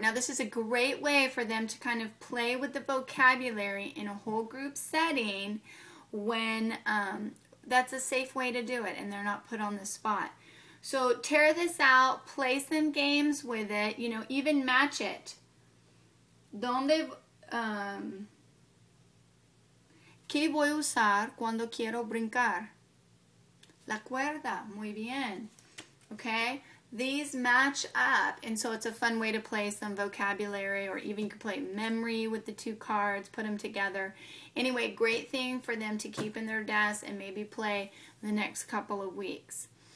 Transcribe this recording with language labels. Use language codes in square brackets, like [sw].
[en] Now, this is a great way for them to kind of play with the vocabulary in a whole group setting when that's a safe way to do it and they're not put on the spot. So tear this out, play some games with it, you know, even match it. [es] ¿Dónde, qué voy a usar cuando quiero brincar? La cuerda, muy bien. [en] Okay, these match up, and so it's a fun way to play some vocabulary, or even you can play memory with the two cards, put them together. Anyway, great thing for them to keep in their desk and maybe play the next couple of weeks.